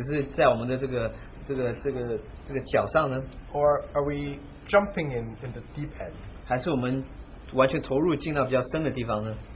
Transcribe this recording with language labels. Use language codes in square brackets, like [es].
[zh] 还是我们进到水里面，我们只是水只是在我们的这个脚上呢？ [en] Or are we jumping in the deep end? [zh] 还是我们完全投入进到比较深的地方呢？